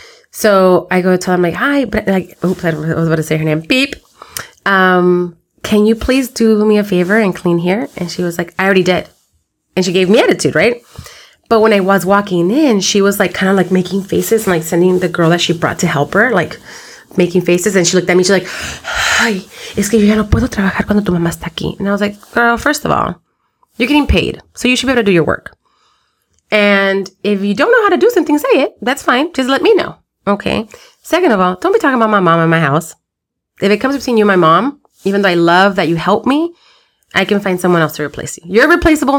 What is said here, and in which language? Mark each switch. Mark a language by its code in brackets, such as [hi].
[en] So I go tell her, I'm like, hi, but like, oops, I was about to say her name. Beep. Can you please do me a favor and clean here? And she was like, I already did. And she gave me attitude, right? But when I was walking in, she was like kind of like making faces and like sending the girl that she brought to help her, like making faces. And she looked at me. She's like, [es] ay, es que yo ya no puedo trabajar cuando tu mamá está aquí. [en] And I was like, girl, first of all, you're getting paid. So you should be able to do your work. And if you don't know how to do something, say it. That's fine. Just let me know. Okay. Second of all, don't be talking about my mom in my house. If it comes between you and my mom, even though I love that you help me, I can find someone else to replace you. You're replaceable.